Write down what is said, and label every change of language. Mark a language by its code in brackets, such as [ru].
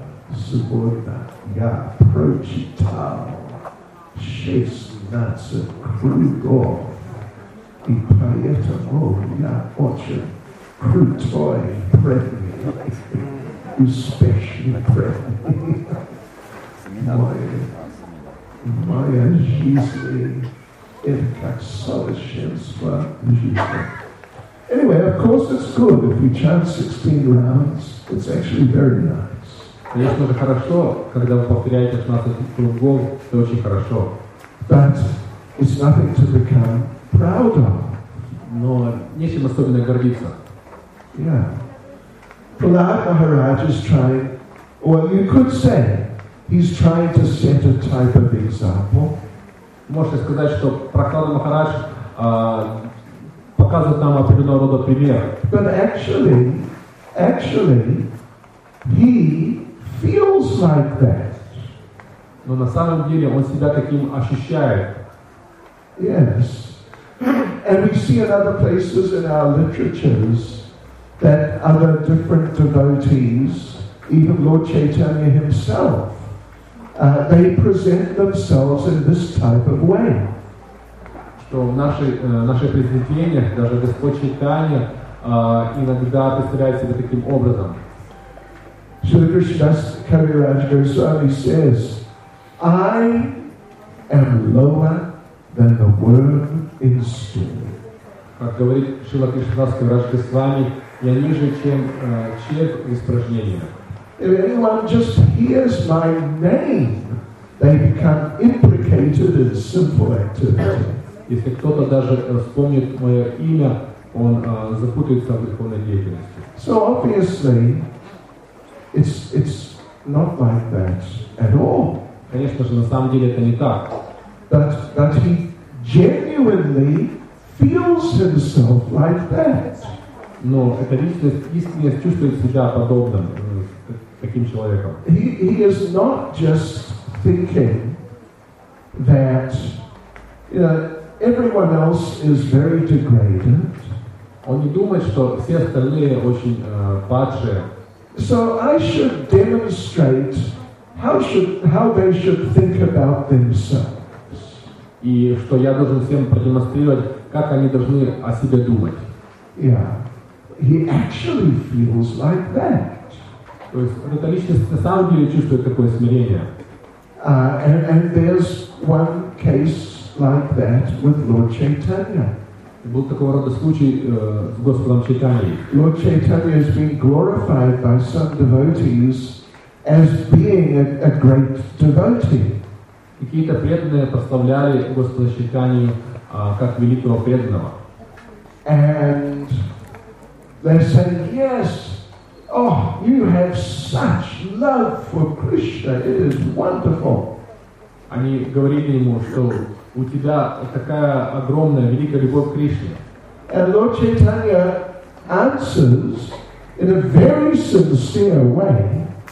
[ru] Субодна, я прочитал шесть нацик кругов, и поэтому я очень крутой предмет, успешный предмет. Моя жизнь, это как совершенство жизни. [en] Anyway, of course it's good if you chant 16 rounds, it's actually very nice. [ru] Конечно же хорошо, когда вы повторяете 16 кругов, это очень хорошо. [en] But it's nothing to become proud of. [ru] Но нечем особенно гордиться. [en] Yeah. Prahlad Maharaj is trying, well, you could say, he's trying to set a type of example. [ru] Можете сказать, что Прохлад Махарадж показывает нам определенного рода пример. [en] But actually, he feels like that. [ru] Но на самом деле он себя таким ощущает. [en] Yes. And we see in other places in our literatures that other different devotees, even Lord Chaitanya himself, they present themselves in this type of way. [ru] Что наши произведения, даже Господь Чайтанья иногда представляет себя таким образом. [en] Shri Krishnadas Kaviraj Goswami says, I am lower than the worm in stool. [ru] Как говорит Шрила Кришнадас Кавирадж Госвами, я ниже, чем червь в испражнениях. [en] If anyone just hears my name, they become implicated in sinful activity. [ru] Если кто-то даже вспомнит мое имя, он запутается в духовной деятельности. [en] So obviously, it's not like that at all. [ru] Конечно же, на самом деле это не так. [en] But he genuinely feels himself like that. [ru] Но эта личность искренне чувствует себя подобным. [en] He is not just thinking that, you know, everyone else is very degraded. [ru] Он не думает, что все остальные очень падшие. [en] So I should demonstrate how they should think about themselves. [ru] И что я должен всем продемонстрировать, как они должны о себе думать. [en] Yeah, he actually feels like that. [ru] То есть эта личность на самом деле чувствует такое смирение. [en] And there's one case like that with Lord Chaitanya. [ru] Был такого рода случай с Господом Чайтаньей. [en] Lord Chaitanya has been glorified by some devotees as being a great devotee. [ru] Какие-то преданные прославляли Господа Чайтанью как великого преданного. [en] And they said, yes. Oh, you have such love for Krishna. It is wonderful. [ru] Они говорили ему, что у тебя такая огромная, великая любовь к Кришне. [en] And Lord Chaitanya answers in a very sincere way.